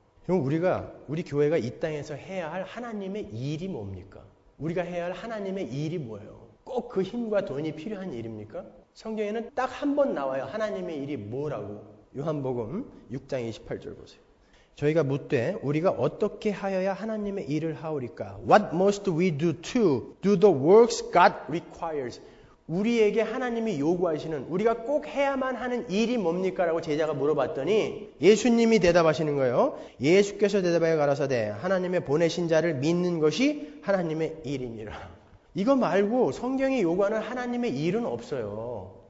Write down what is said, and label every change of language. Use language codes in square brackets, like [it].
[ko] 그럼 우리가, 우리 교회가 이 땅에서 해야 할 하나님의 일이 뭡니까? 우리가 해야 할 하나님의 일이 뭐예요? 꼭 그 힘과 돈이 필요한 일입니까? 성경에는 딱 한 번 나와요. 하나님의 일이 뭐라고. 요한복음 6장 28절 보세요. 저희가 묻되 우리가 어떻게 하여야 하나님의 일을 하오리까? [en] What must we do to do the works God requires? [ko] 우리에게 하나님이 요구하시는 우리가 꼭 해야만 하는 일이 뭡니까? 라고 제자가 물어봤더니 예수님이 대답하시는 거예요. 예수께서 대답하여 가라사대 하나님의 보내신 자를 믿는 것이 하나님의 일이니라. 이거 말고 성경이 요구하는 하나님의 일은 없어요.